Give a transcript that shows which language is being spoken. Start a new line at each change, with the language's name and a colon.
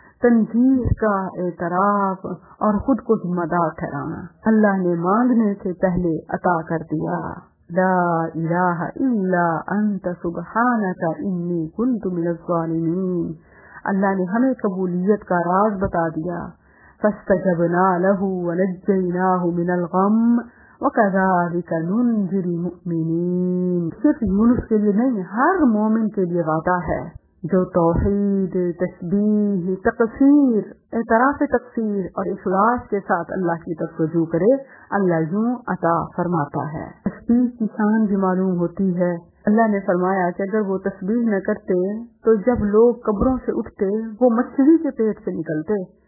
Urdu: تنبیہ کا اعتراف اور خود کو ذمہ دار ٹھہرانا اللہ نے مانگنے سے پہلے عطا کر دیا.
Arabic: لا الہ الا انت سبحانک انی کنت من الظالمین.
Urdu: اللہ نے ہمیں قبولیت کا راز بتا دیا.
Arabic: فاستجبنا له ونجیناه من الغم وكذلك ننجی المؤمنین.
Urdu: صرف یونس کے لیے نہیں, ہر مومن کے لیے وعدہ ہے جو توحید, تسبیح, تقصیر, اعتراف تقصیر اور اخلاص کے ساتھ اللہ کی طرف رجوع کرے, اللہ یوں عطا فرماتا ہے. تسبیح کی شان بھی معلوم ہوتی ہے. اللہ نے فرمایا کہ اگر وہ تسبیح نہ کرتے تو جب لوگ قبروں سے اٹھتے وہ مچھلی کے پیٹ سے نکلتے.